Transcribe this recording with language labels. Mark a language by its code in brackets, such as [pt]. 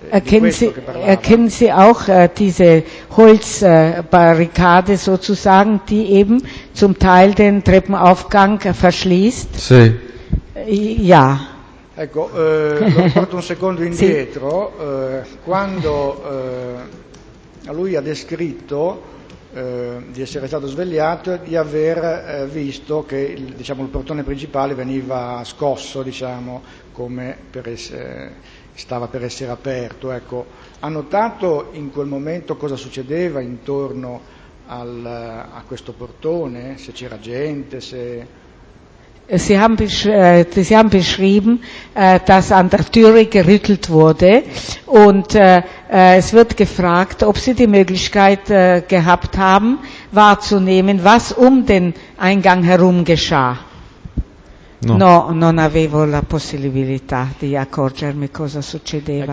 [de] Erkennen Sie auch diese Holzbarrikade sozusagen, die eben zum Teil den Treppenaufgang verschließt? [it] Sì. [de] Ja. [it] Ecco, lo porto un secondo indietro. Sì. Quando lui ha descritto di essere stato svegliato e di aver visto che diciamo il portone principale veniva scosso, diciamo, come per stava per essere aperto. Ecco, ha notato in quel momento cosa succedeva intorno a questo portone, se c'era gente, se. [de] Sie haben beschrieben, dass an der Türe gerüttelt wurde und es wird gefragt, ob Sie die Möglichkeit gehabt haben, wahrzunehmen, was um den Eingang herum geschah. [it] No, non avevo la possibilità di accorgermi cosa succedeva.